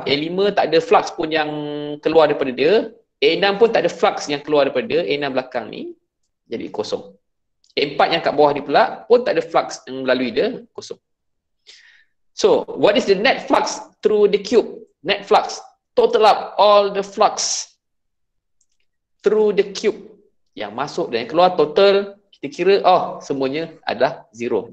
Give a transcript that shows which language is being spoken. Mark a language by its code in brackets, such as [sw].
[ms] Elemen tak ada flux pun yang keluar daripada dia. Enam pun tak ada flux yang keluar daripada dia. Enam belakang ni jadi kosong. Empat yang kat bawah ni pula pun tak ada flux yang melalui dia, kosong. [en] So, what is the net flux through the cube? Net flux. Total up all the flux through the cube. [ms] Yang masuk dan yang keluar total, kita kira, oh, semuanya adalah zero.